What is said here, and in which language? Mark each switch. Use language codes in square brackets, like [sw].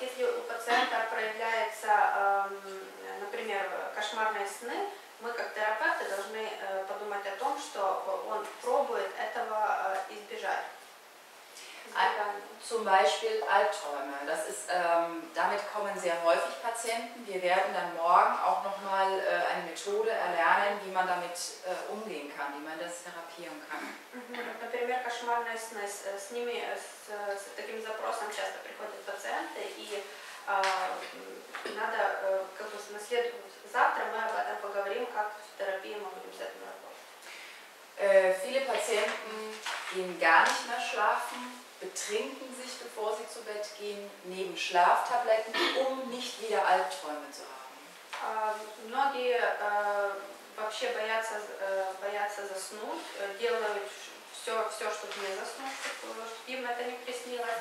[ru] если у пациента проявляется, например, кошмарные сны, мы как терапевты должны подумать о том, что он пробует этого избежать. [de] Zum Beispiel Albträume. Das ist, damit kommen sehr häufig Patienten. Wir werden dann morgen auch nochmal eine Methode erlernen, wie man damit umgehen kann, wie man das therapieren kann. [ru] Например, кошмарные сны. С ними, с таким запросом часто приходят пациенты, и надо, как бы, на следующий, завтра мы об этом поговорим, как в терапии мы будем с этим работать. [de] Viele Patienten gehen gar nicht mehr schlafen, betrinken sich, bevor sie zu Bett gehen, nehmen Schlaftabletten, um nicht wieder Albträume zu haben. [ru] Многие вообще боятся заснуть, делают все, чтобы не заснуть, чтобы им это не приснилось.